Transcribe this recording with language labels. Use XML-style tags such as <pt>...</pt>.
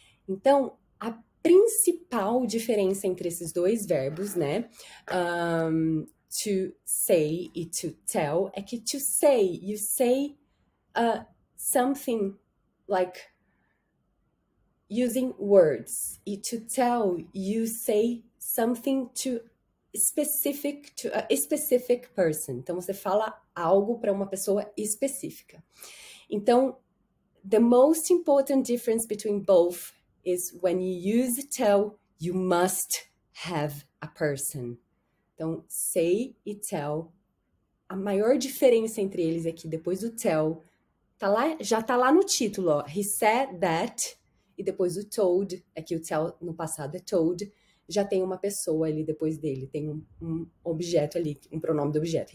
<pt>Então, a principal diferença entre esses dois verbos, né, to say e to tell, é que to say,</pt> <en>you say something like using words. E to tell, you say something to specific to a specific person.</en> <pt>Então, você fala algo para uma pessoa específica.</pt> <en>Então, the most important difference between both is when you use tell, you must have a person.</en> <pt>Então, say e tell. A maior diferença entre eles é que depois do tell, tá lá, já tá lá no título, ó.</pt> <en>He said that.</en> <pt>E depois o told, é que o tell no passado é told. Já tem uma pessoa ali depois dele. Tem um objeto ali, um pronome do objeto.</pt>